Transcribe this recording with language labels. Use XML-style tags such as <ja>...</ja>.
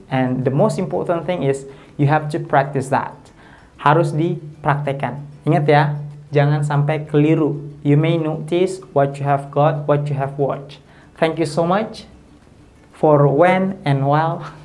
<en>And the most important thing is you have to practice that.</en> <id>Harus dipraktekan. Ingat ya, jangan sampai keliru.</id> <en>You may notice what you have got, what you have watched. Thank you so much for when and while.</en>